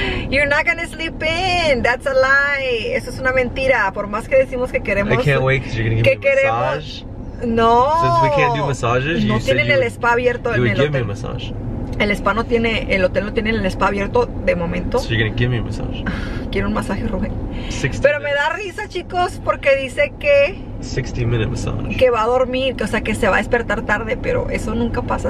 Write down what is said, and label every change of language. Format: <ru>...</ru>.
<en>You're not gonna sleep in, that's a lie.</en> <es>Eso es una mentira, por más que decimos que queremos.</es> <en>I can't wait because you're gonna give me a massage. No. Since we can't do massages,</en> <es>no tienen el spa abierto en el hotel.</es> <en>You would give me a massage.</en> <es>El hotel no tiene el spa abierto de momento.</es> <en>So you're gonna give me a massage.</en> <es>Quiero un masaje, Rubén. 60 Pero me da risa, chicos, porque dice que</es> <en>60-minute massage.</en> <es>Que va a dormir, o sea, que se va a despertar tarde, pero eso nunca pasa.</es>